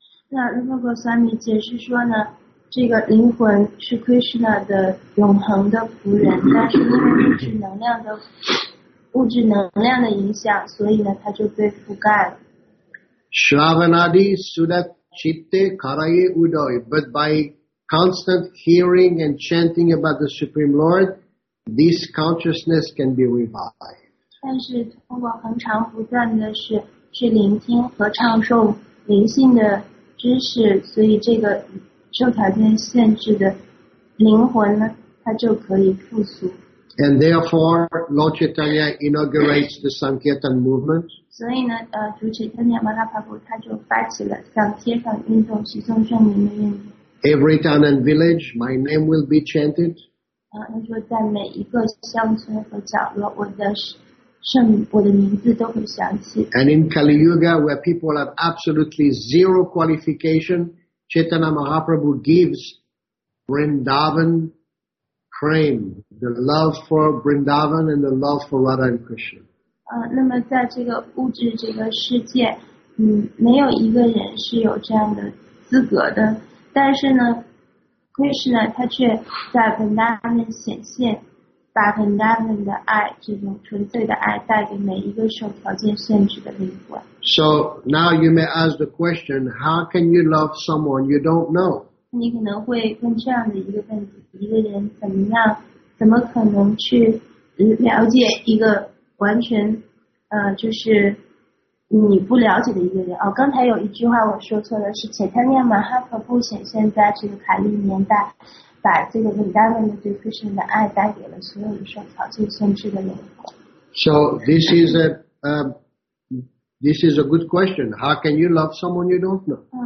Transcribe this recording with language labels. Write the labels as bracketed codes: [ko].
[zh] Rupa Goswami 解释说呢，这个灵魂是 Krishna 的永恒的仆人，但是因为物质能量的影响，所以呢，它就被覆盖了。 [sa] Shravanadi Sudat Chitte Karaye Udoy. [en] But by constant hearing and chanting about the Supreme Lord, this consciousness can be revived. [zh] 但是通过恒常不断的是去聆听和唱诵灵性的知识，所以这个受条件限制的灵魂呢，它就可以复苏。 [en] And therefore, Lord Chaitanya inaugurates the Sankirtan movement. [zh] 所以呢，主持的涅玛拉帕布他就发起了向天上运动、集中证明的运动。 [en] Every town and village, my name will be chanted. [zh] 他说在每一个乡村和角落，我的名字都会响起。 [en] And in Kali Yuga, where people have absolutely zero qualification, Chaitanya Mahaprabhu gives Vrindavan. Prem, the love for Vrindavan and the love for Radha and Krishna. [zh] 那么在这个物质这个世界，没有一个人是有这样的资格的。但是呢 ，Krishna 他却在 Vrindavan 显现，把 Vrindavan 的爱，这种纯粹的爱，带给每一个受条件限制的灵魂。 [en] So now you may ask the question, how can you love someone you don't know? [zh] 你可能会问这样的一个问题：一个人怎么可能去了解一个完全就是你不了解的一个人？哦，刚才有一句话我说错了，是钱塔涅马哈普布显现在这个卡利年代，把这个伟大们的对自身的爱带给了所有的受条件限制的灵魂。 [en] So this is a this is a good question. How can you love someone you don't know?